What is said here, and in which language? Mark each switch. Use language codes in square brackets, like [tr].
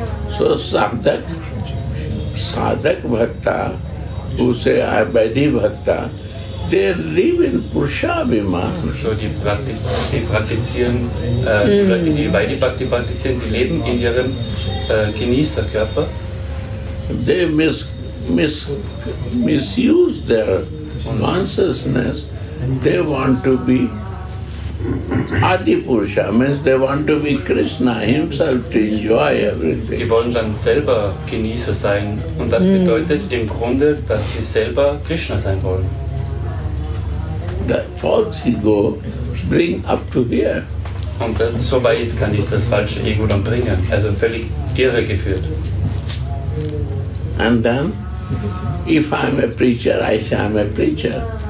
[en] So Sadhak, Sadhak Bhakta, who say I am Adi Bhakta, they live in Purusha-Abhimana. [de] So die Vaidhi-Bhakti praktizieren, die leben in ihrem Genießerkörper. [en] They misuse their consciousness. They want to be Adi-Purusha, means they want to be Krishna himself to enjoy everything. [de] Die wollen dann selber Genießer sein. Und das bedeutet im Grunde, dass sie selber Krishna sein wollen. [en] The false ego bring up to here. [de] Und so weit kann ich das falsche Ego dann bringen, also völlig irregeführt. [en] And then, if I'm a preacher, I say I'm a preacher.